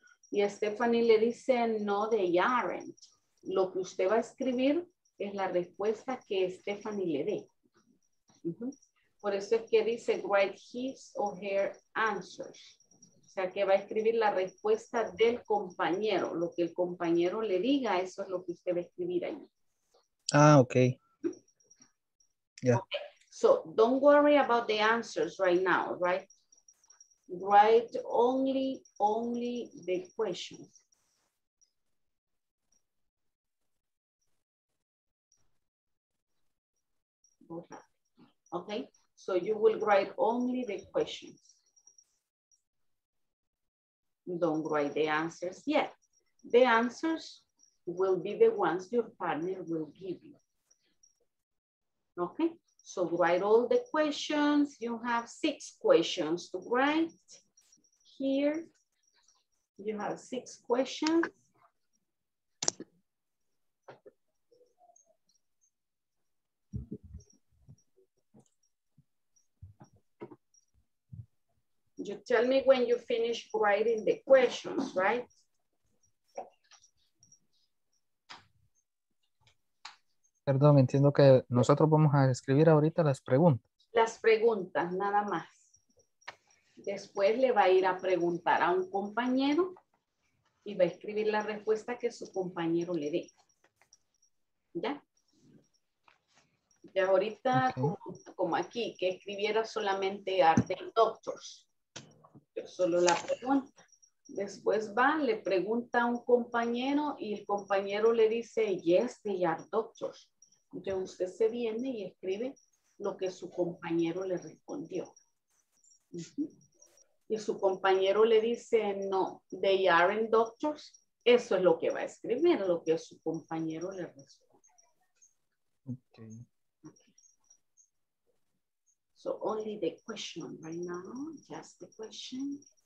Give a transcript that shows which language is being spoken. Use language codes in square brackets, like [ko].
[es] Y Stephanie le dice, [en] no, they aren't. [es] Lo que usted va a escribir es la respuesta que Stephanie le dé. Por eso es que dice, [en] write his or her answers. [es] O sea, que va a escribir la respuesta del compañero. Lo que el compañero le diga, eso es lo que usted va a escribir ahí. [en] Ah, ok. Yeah. Okay. So, don't worry about the answers right now, right? Write only the questions. Okay, so you will write only the questions. Don't write the answers yet. The answers will be the ones your partner will give you. Okay, so write all the questions. You have 6 questions to write here. You have 6 questions. You tell me when you finish writing the questions, right? [es] Perdón, entiendo que nosotros vamos a escribir ahorita las preguntas. Las preguntas, nada más. Después le va a ir a preguntar a un compañero y va a escribir la respuesta que su compañero le dé. ¿Ya? Y ahorita, como aquí, que escribiera solamente arte y doctors. Solo la pregunta. Después va, le pregunta a un compañero y el compañero le dice, [en] yes, they are doctors. [es] Entonces usted se viene y escribe lo que su compañero le respondió. Y su compañero le dice, [en] no, they aren't doctors. [es] Eso es lo que va a escribir, lo que su compañero le responde. [en] Okay. So only the question right now, just the question.